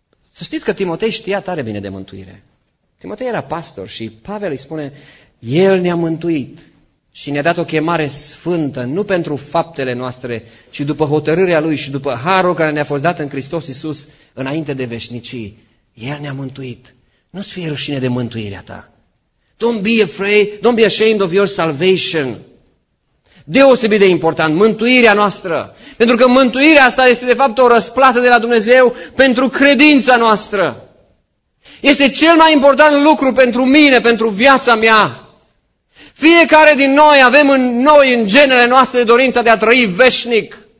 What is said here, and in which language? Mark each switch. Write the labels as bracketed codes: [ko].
[ro] Să știți că Timotei știa tare bine de mântuire. Timotei era pastor și Pavel îi spune, el ne-a mântuit. Și ne-a dat o chemare sfântă, nu pentru faptele noastre, ci după hotărârea Lui și după harul care ne-a fost dat în Hristos Iisus înainte de veșnicii. El ne-a mântuit. Nu-ți fie rușine de mântuirea ta. [en] Don't be afraid, don't be ashamed of your salvation. [ro] Deosebit de important, mântuirea noastră. Pentru că mântuirea asta este de fapt o răsplată de la Dumnezeu pentru credința noastră. Este cel mai important lucru pentru mine, pentru viața mea. Fiecare din noi avem în noi, în genele noastre, dorința de a trăi veșnic.